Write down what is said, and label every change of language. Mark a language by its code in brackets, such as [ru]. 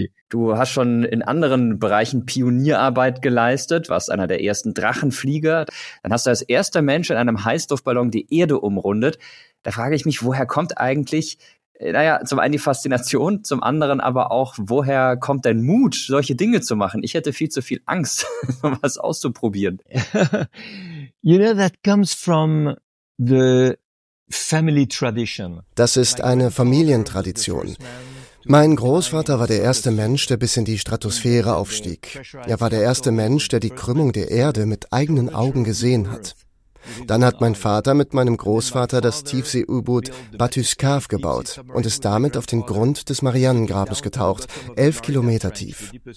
[de] Du hast schon in anderen Bereichen Pionierarbeit geleistet, warst einer der ersten Drachenflieger. Dann hast du als erster Mensch in einem Heißluftballon die Erde umrundet. Da frage ich mich, woher kommt eigentlich, zum einen die Faszination, zum anderen aber auch, woher kommt dein Mut, solche Dinge zu machen? Ich hätte viel zu viel Angst, was auszuprobieren. [en] That comes from the family tradition. [de] Das ist eine Familientradition. Mein Großvater war der erste Mensch, der bis in die Stratosphäre aufstieg. Er war der erste Mensch, der die Krümmung der Erde mit eigenen Augen gesehen hat. Dann hat mein Vater mit meinem Großvater das Tiefsee-U-Boot Batyskaw gebaut und ist damit auf den Grund des Marianengrabes getaucht, 11 Kilometer tief.